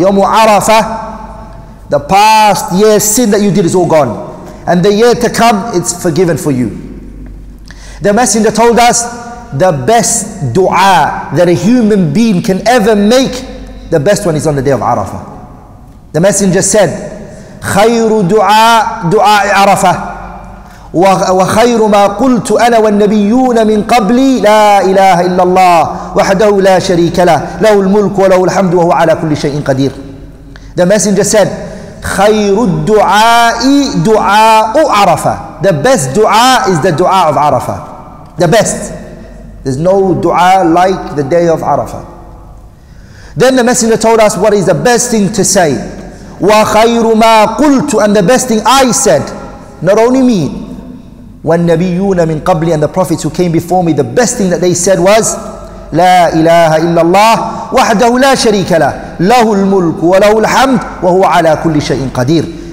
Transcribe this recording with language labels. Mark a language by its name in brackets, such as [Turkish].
[English] Yawm Arafah, the past year's sin that you did is all gone. And the year to come, it's forgiven for you. The Messenger told us the best dua that a human being can ever make, the best one is on the day of Arafah. The Messenger said, [Arabic] خَيْرُ دُعَاءِ عَرَفَةِ وَخَيْرُ مَا قُلْتُ أَنَا وَالنَّبِيُّونَ مِنْ قَبْلِي لَا إِلَهَ إِلَّا اللَّهِ وَحْدَهُ لَا شَرِيكَ لَهُ لَهُ الْمُلْكُ وَلَهُ الْحَمْدُ وَهُوَ عَلَى كُلِّ شَيْءٍ قَدِيرٌ. [English] The Messenger said, [Arabic] خَيْرُ الدُّعَاءِ دُعَاءُ عَرَفَةِ. [English] The best dua is the dua of Arafah. The best. There's no dua like the day of Arafah. Then the Messenger told us what is the best thing to say. [Arabic] وَخَيْرُ مَا قُلْتُ, [English] and the best thing I said, not only me, [Arabic] وَالنَّبِيُّونَ مِنْ قَبْلِي, [English] and the prophets who came before me, the best thing that they said was, [Arabic] لَا إِلَهَ إِلَّا اللَّهِ وَحْدَهُ لَا شَرِيكَ لَهُ لَهُ الْمُلْكُ وَلَهُ الْحَمْدُ وَهُوَ عَلَى كُلِّ شَيْءٍ قَدِيرٌ.